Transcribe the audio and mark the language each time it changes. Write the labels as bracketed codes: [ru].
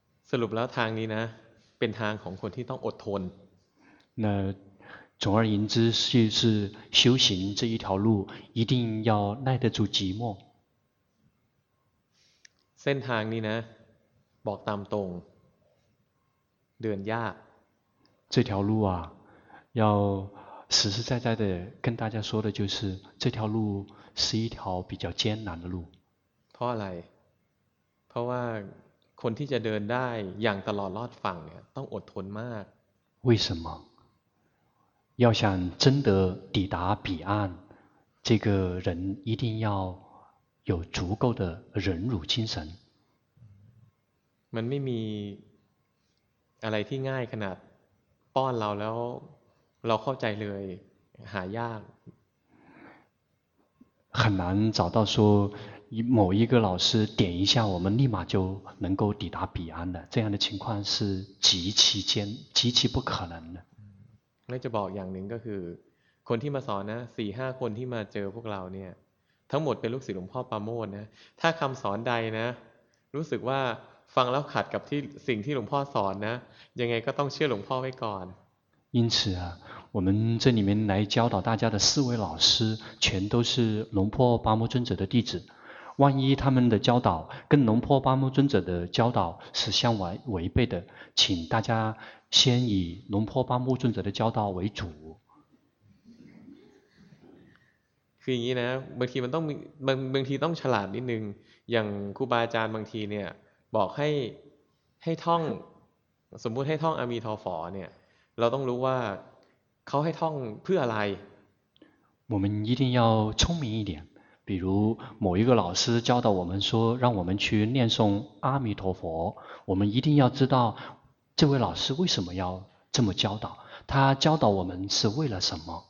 [th] สรุปแล้วทางนี้นะเป็นทางของคนที่ต้องอดทน [zh] 那总而言之，就是修行这一条路一定要耐得住寂寞。 [th] เส้นทางนี้นะบอกตามตรงเดินยาก [zh] 这条路啊要实实在在的跟大家说的就是这条路是一条比较艰难的路。 [th] เพราะอะไรเพราะว่าคนที่จะเดินได้อย่างตลอดรอดฝั่งเนี่ยต้องอดทนมาก [zh] 为什么要想真的抵达彼岸，这个人一定要有足够的忍辱精神。 [th] มันไม่มีอะไรที่ง่ายขนาดป้อนเราแล้วเราเข้าใจเลยหายาก [zh] 很难找到说某一个老师点一下我们立马就能够抵达彼岸的，这样的情况是极其不可能的。 [th] แล้วจะบอกอย่างหนึ่งก็คือคนที่มาสอนนะสี่ห้าคนที่มาเจอพวกเราเนี่ยทั้งหมดเป็นลูกศิษย์หลวงพ่อปาโมทย์นะถ้าคำสอนใดนะรู้สึกว่าฟังแล้วขัดกับที่สิ่งที่หลวงพ่อสอนนะยังไงก็ต้องเชื่อหลวงพ่อไว้ก่อน [zh] 因此啊我们这里面来教导大家的四位老师全都是龙破八摩尊者的弟子万一他们的教导跟龙破八摩尊者的教导是相违背的请大家先以龙婆巴木尊者的教导为主。 [th] คืออย่างนี้นะบางทีมันต้องบางทีต้องฉลาดนิดนึงอย่างครูบาอาจารย์บางทีเนี่ยบอกให้ท่องสมมุติให้ท่องอะมีทอฝอเนี่ยเราต้องรู้ว่าเขาให้ท่องเพื่ออะไร [zh] 我们一定要聪明一点比如某一个老师教导我们说让我们去念诵阿弥陀佛我们一定要知道这位老师为什么要这么教导他教导我们是为了什么